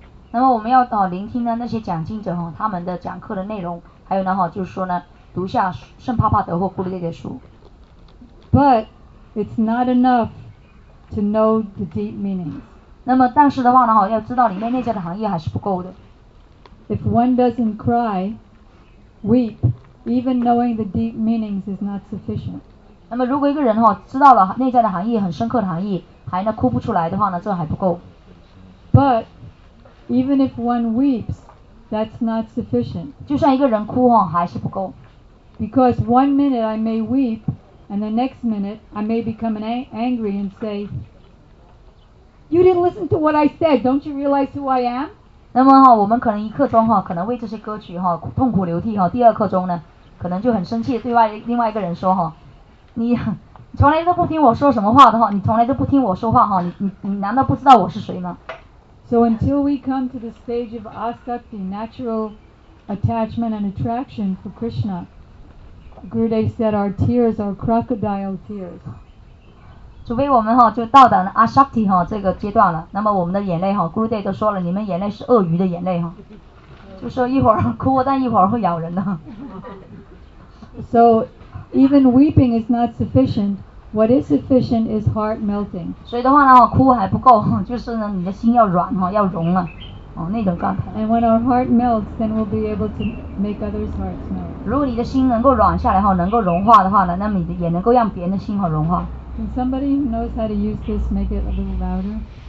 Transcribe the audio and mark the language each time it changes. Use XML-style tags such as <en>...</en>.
<zh>那么我们要聆听呢那些讲经者他们的讲课的内容，还有呢就是说呢读下圣帕帕德或古鲁德的书。</zh> <en>But it's not enough to know the deep meanings.</en> <zh>那么但是的话呢要知道里面内在的含义还是不够的。</zh> <en>If one doesn't cry, weep, even knowing the deep meanings is not sufficient.</en> <zh>那么如果一个人知道了内在的含义很深刻的含义还哭不出来的话呢这还不够。</zh> <en>But even if one weeps, that's not sufficient.</en> <zh>就算一个人哭还是不够。</zh> <en>Because one minute I may weep, and the next minute I may become angry and say, You didn't listen to what I said, don't you realize who I am?</en> <zh>那么我们可能一刻钟可能为这些歌曲痛苦流涕第二刻钟呢可能就很生气对另外一个人说你从来都不听我说什么话的话，你从来都不听我说话哈，你难道不知道我是谁吗</zh> <en>？So until we come to the stage of asakti, natural attachment and attraction for Krishna, Gurudev said our tears are crocodile tears.</en> <zh>除非我们就到达了 asakti 这个阶段了，那么我们的眼泪Gurudev 都说了，你们眼泪是鳄鱼的眼泪就说一会儿哭，但一会儿会咬人的。</zh> <en>So. Even weeping is not sufficient. What is sufficient is heart melting.</en> <zh>所以的话呢，哭还不够，就是呢，你的心要软要融了，那种状态。</zh> <en>And when our heart melts, then we'll be able to make others' hearts melt.</en> <zh>如果你的心能够软下来能够融化的话呢，那么你也能够让别人的心融化。</zh> <en>Can somebody who knows how to use this make it a little louder?</en>